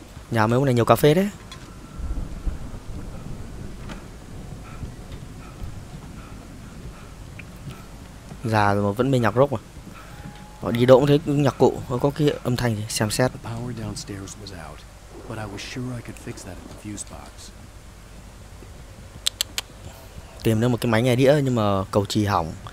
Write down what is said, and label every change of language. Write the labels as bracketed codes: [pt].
[vi] Nhà mấy ông này nhiều cà phê đấy. Già rồi mà vẫn mê nhạc rock mà. Họ đi đâu cũng thấy nhạc cụ, có cái âm thanh gì, xem xét. [en] Power downstairs was out, but I was sure I could fix that at the fuse box. [vi] Tìm được một cái máy nghe đĩa nhưng mà cầu trì hỏng.